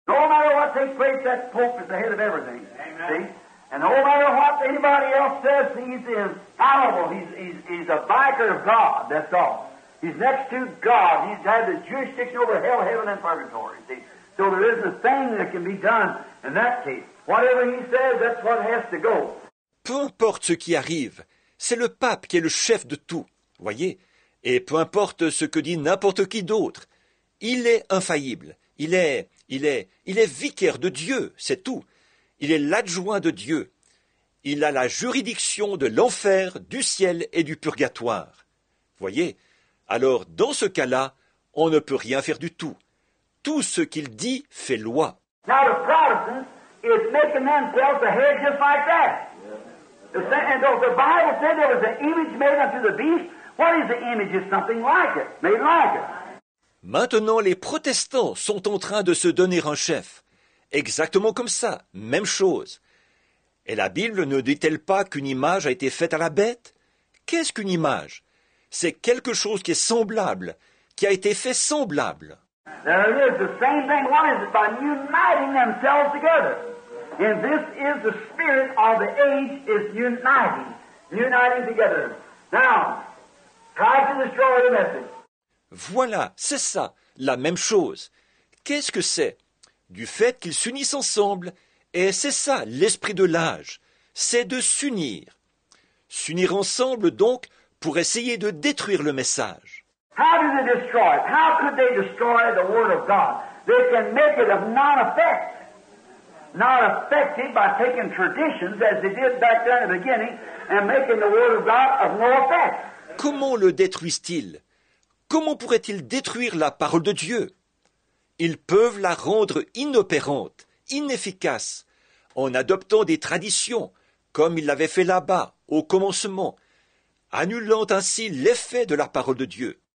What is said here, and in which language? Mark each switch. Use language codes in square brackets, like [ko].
[en] No matter what takes place, that Pope is the head of everything. Amen. See? And no matter what anybody else says, he's infallible. He's a vicar of God, that's all. He's next to God. He's had the jurisdiction over hell, heaven, and purgatory. See? So there isn't a thing that can be done in that case. Whatever he says, that's what has to go. [fr] Peu importe ce qui arrive, c'est le pape qui est le chef de tout, voyez. Et peu importe ce que dit n'importe qui d'autre, il est infaillible. Il est vicaire de Dieu, c'est tout. Il est l'adjoint de Dieu. Il a la juridiction de l'enfer, du ciel et du purgatoire. Voyez, alors dans ce cas-là, on ne peut rien faire du tout. Tout ce qu'il dit fait loi. [en] Now the Protestant is making themselves a head just like that. And though the Bible said there was an image made unto the beast, what is the image? It's something like it, made like it. [fr] Maintenant, les protestants sont en train de se donner un chef. Exactement comme ça, même chose. Et la Bible ne dit-elle pas qu'une image a été faite à la bête? Qu'est-ce qu'une image? C'est quelque chose qui est semblable, qui a été fait semblable. [en] There it is, the same thing. What is it? By uniting themselves together. And this is the spirit of the age, is uniting together. Now, try to destroy the message. [fr] Voilà, c'est ça, la même chose. Qu'est-ce que c'est? Du fait qu'ils s'unissent ensemble, et c'est ça, l'esprit de l'âge, c'est de s'unir. S'unir ensemble, donc, pour essayer de détruire le message. [en] How do they destroy it? How could they destroy the Word of God? They can make it of non-effect. Non-effective by taking traditions, as they did back then in the beginning, and making the Word of God of no effect. [fr] Comment le détruisent-ils? Comment pourraient-ils détruire la parole de Dieu? Ils peuvent la rendre inopérante, inefficace, en adoptant des traditions, comme ils l'avaient fait là-bas, au commencement, annulant ainsi l'effet de la parole de Dieu.